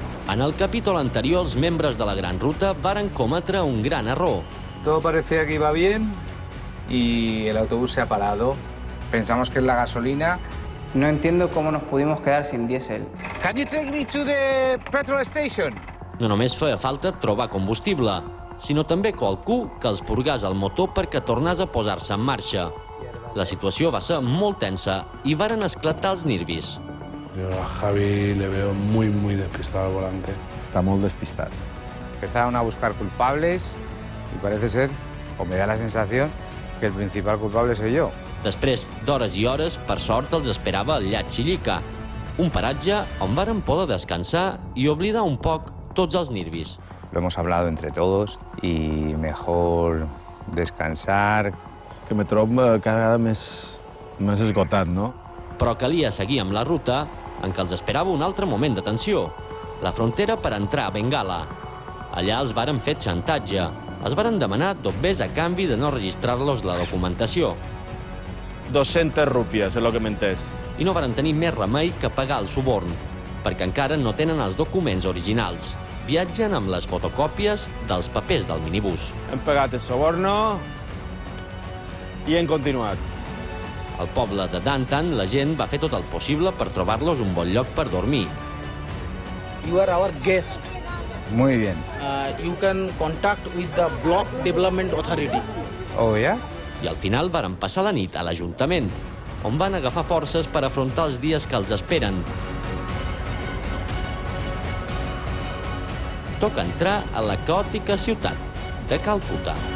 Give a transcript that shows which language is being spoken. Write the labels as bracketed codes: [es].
[ca] En el capítol anterior, els membres de la Gran Ruta varen cometre un gran error. [es] Todo parecía que iba bien y el autobús se ha parado. Pensamos que es la gasolina. No entiendo cómo nos pudimos quedar sin diésel. [en] Can you take me to the petrol station? [ca] No només feia falta trobar combustible, sinó també qualcú que els purgàs el motor perquè tornàs a posar-se en marxa. La situació va ser molt tensa i varen esclatar els nervis. [es] Yo a Javi le veo muy, muy despistado al volante. Está muy despistado. Empezaron a buscar culpables y parece ser, o me da la sensación, que el principal culpable soy yo. [ca] Després d'hores i hores, per sort, els esperava el Llac Xillica, un paratge on varen poder descansar i oblidar un poc tots els nervis. [es] Lo hemos hablado entre todos y mejor descansar. [ca] Que me trobo cada vegada més esgotat, no? Però calia seguir amb la ruta, en què els esperava un altre moment de tensió, la frontera per entrar a Bengala. Allà els varen fer xantatge. Els varen demanar doblers a canvi de no registrar-los la documentació. 200 rupies, és el que m'he entès. I no varen tenir més remei que pagar el suborn, perquè encara no tenen els documents originals. Viatgen amb les fotocòpies dels papers del minibús. Hem pagat el soborno i hem continuat. Al poble de Dantan, la gent va fer tot el possible per trobar-los un bon lloc per dormir. [en] You are our guest. [es] Muy bien. [en] You can contact with the block development authority. Oh, yeah? [ca] I al final varen passar la nit a l'Ajuntament, on van agafar forces per afrontar els dies que els esperen. Toca entrar a la caòtica ciutat de Calcuta.